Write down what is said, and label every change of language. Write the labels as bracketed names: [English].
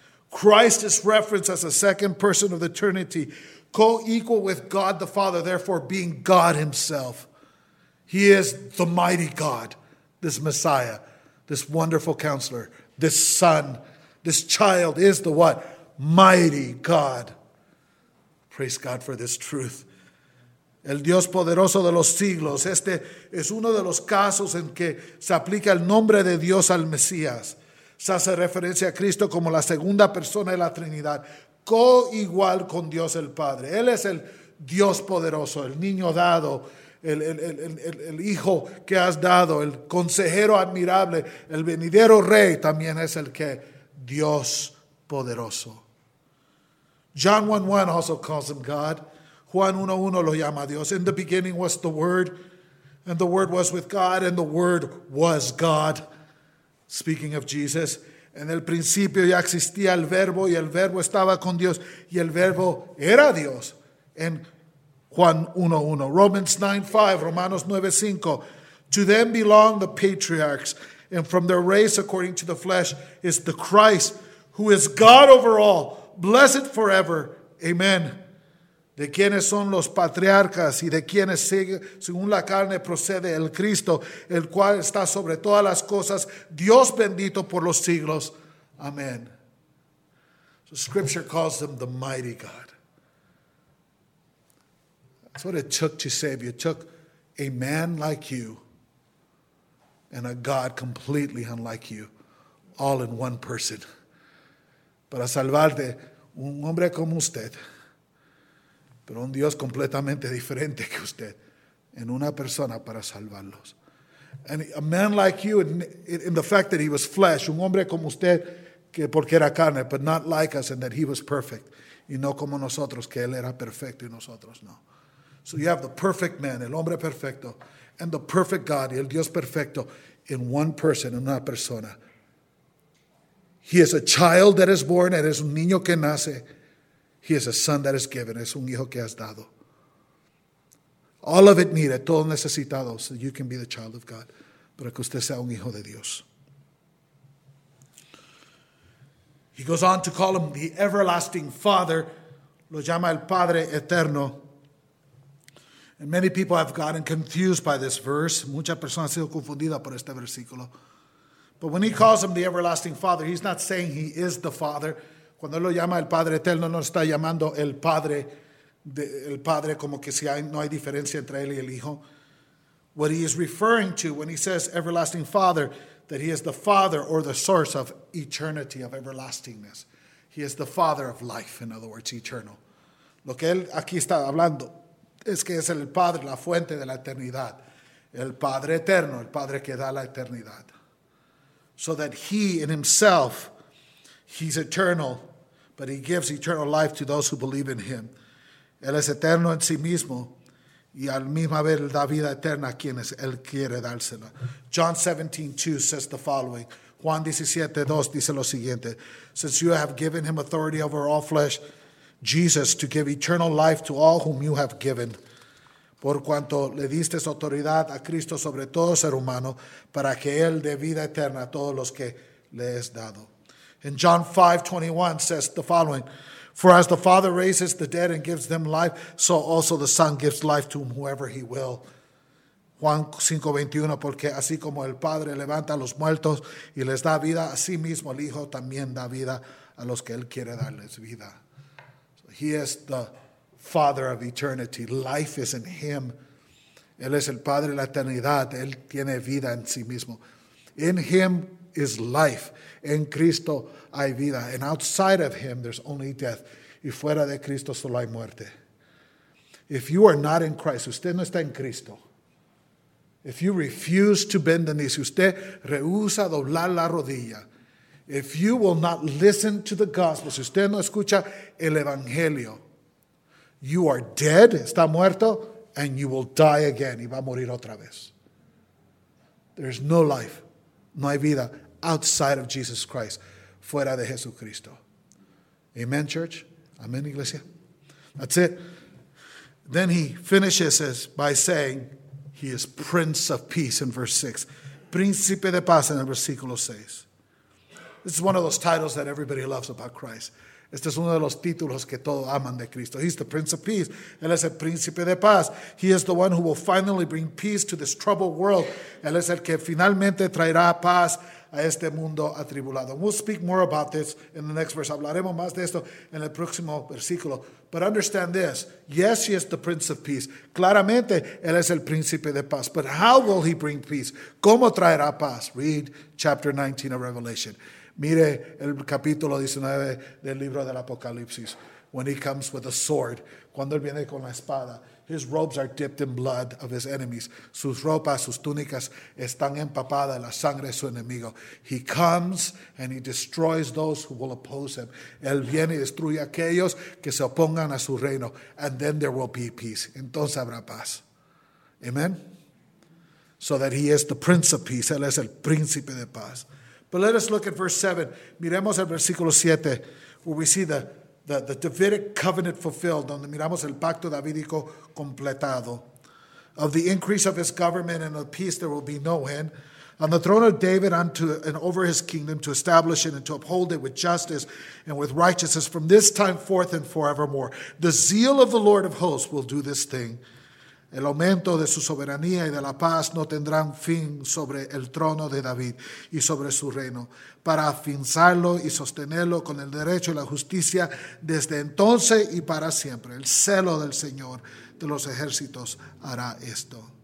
[English] Christ is referenced as a second person of the Trinity, co-equal with God the Father, therefore being God himself. He is the mighty God, this Messiah, this wonderful counselor, this son, this child is the what? Mighty God. Praise God for this truth. [Spanish] El Dios poderoso de los siglos. Este es uno de los casos en que se aplica el nombre de Dios al Mesías. Se hace referencia a Cristo como la segunda persona de la Trinidad, co-igual con Dios el Padre. Él es el Dios poderoso, el niño dado, el hijo que has dado, el consejero admirable, el venidero rey también es el que Dios poderoso. [English] John 1:1 also calls him God. [Spanish] Juan 1:1 lo llama Dios. [English] In the beginning was the Word, and the Word was with God, and the Word was God. Speaking of Jesus, [Spanish] en el principio ya existía el Verbo, y el Verbo estaba con Dios, y el Verbo era Dios. En Juan 1:1. Romans 9:5, Romanos 9:5. [English] To them belong the patriarchs, and from their race according to the flesh is the Christ, who is God over all, blessed forever. Amen. [Spanish] De quienes son los patriarcas y de quienes sigue, según la carne procede el Cristo, el cual está sobre todas las cosas, Dios bendito por los siglos. Amén. [English] So scripture calls them the mighty God. That's what it took to save you. It took a man like you and a God completely unlike you, all in one person. [Spanish] Para salvarte, un hombre como usted, pero un Dios completamente diferente que usted, en una persona para salvarlos. [English] And a man like you, in the fact that he was flesh, [Spanish] un hombre como usted, que porque era carne, [English] but not like us, and that he was perfect, [Spanish] y no como nosotros, que él era perfecto y nosotros no. [English] So you have the perfect man, [Spanish] el hombre perfecto, [English] and the perfect God, [Spanish] y el Dios perfecto, [English] in one person, [Spanish] en una persona. [English] He is a child that is born, [Spanish] eres un niño que nace. [English] He is a son that is given. [Spanish] Es un hijo que has dado. [English] All of it needed. [Spanish] Todo necesitado. [English] So you can be the child of God. [Spanish] Para que usted sea un hijo de Dios. [English] He goes on to call him the everlasting father. [Spanish] Lo llama el padre eterno. [English] And many people have gotten confused by this verse. [Spanish] Mucha persona ha sido confundida por este versículo. [English] But when he calls him the everlasting father, he's not saying he is the father. [Spanish] Cuando él lo llama el Padre Eterno, no está llamando el Padre, el Padre como que si hay, no hay diferencia entre él y el Hijo. [English] What he is referring to when he says everlasting Father, that he is the Father or the source of eternity, of everlastingness. He is the Father of life, in other words, eternal. [Spanish] Lo que él aquí está hablando es que es el Padre, la fuente de la eternidad. El Padre Eterno, el Padre que da la eternidad. [English] So that he in himself, he's eternal, but he gives eternal life to those who believe in him. [Spanish] Él es eterno en sí mismo, y al mismo vez da vida eterna a quienes él quiere dársela. [English] John 17:2 says the following. [Spanish] Juan 17:2 dice lo siguiente. [English] Since you have given him authority over all flesh, Jesus, to give eternal life to all whom you have given. [Spanish] Por cuanto le diste autoridad a Cristo sobre todo ser humano, para que él dé vida eterna a todos los que le es dado. [English] And John 5:21 says the following, for as the Father raises the dead and gives them life, so also the Son gives life to whoever he will. [Spanish] Juan 5:21, porque así como el Padre levanta a los muertos y les da vida, así mismo el Hijo también da vida a los que Él quiere darles vida. [English] So he is the Father of eternity. Life is in Him. [Spanish] Él es el Padre de la eternidad. Él tiene vida en sí mismo. [English] In Him is life. [Spanish] En Cristo hay vida. [English] And outside of Him, there's only death. [Spanish] Y fuera de Cristo solo hay muerte. [English] If you are not in Christ, [Spanish] usted no está en Cristo. [English] If you refuse to bend the knee, [Spanish] si usted rehúsa doblar la rodilla, [English] if you will not listen to the gospel, [Spanish] si usted no escucha el evangelio, [English] you are dead, [Spanish] está muerto, [English] and you will die again, [Spanish] y va a morir otra vez. [English] There is no life, [Spanish] no hay vida [English] outside of Jesus Christ, [Spanish] fuera de Jesucristo. [English] Amen, church? [Spanish] Amen, iglesia? [English] That's it. Then he finishes this by saying, He is Prince of Peace in verse 6. [Spanish] Príncipe de Paz en el versículo 6. [English] This is one of those titles that everybody loves about Christ. [Spanish] Este es uno de los títulos que todos aman de Cristo. [English] He's the Prince of Peace. [Spanish] Él es el Príncipe de Paz. [English] He is the one who will finally bring peace to this troubled world. [Spanish] Él es el que finalmente traerá paz a este mundo atribulado. [English] We'll speak more about this in the next verse. [Spanish] Hablaremos más de esto en el próximo versículo. [English] But understand this. Yes, he is the Prince of Peace. [Spanish] Claramente, él es el Príncipe de Paz. [English] But how will he bring peace? [Spanish] ¿Cómo traerá paz? [English] Read chapter 19 of Revelation. [Spanish] Mire el capítulo 19 del libro del Apocalipsis. [English] When he comes with a sword. [Spanish] Cuando él viene con la espada. [English] His robes are dipped in blood of his enemies. [Spanish] Sus ropas, sus túnicas están empapadas en la sangre de su enemigo. [English] He comes and he destroys those who will oppose him. [Spanish] Él viene y destruye a aquellos que se opongan a su reino. [English] And then there will be peace. [Spanish] Entonces habrá paz. [English] Amen. So that he is the Prince of Peace. [Spanish] Él es el Príncipe de Paz. [English] But let us look at verse 7. [Spanish] Miremos el versículo 7, [English] where we see the Davidic covenant fulfilled, [Spanish] donde miramos el pacto davídico completado. [English] Of the increase of his government and of peace there will be no end. On the throne of David unto and over his kingdom to establish it and to uphold it with justice and with righteousness from this time forth and forevermore. The zeal of the Lord of hosts will do this thing. [Spanish] El aumento de su soberanía y de la paz no tendrán fin sobre el trono de David y sobre su reino, para afianzarlo y sostenerlo con el derecho y la justicia desde entonces y para siempre. El celo del Señor de los ejércitos hará esto.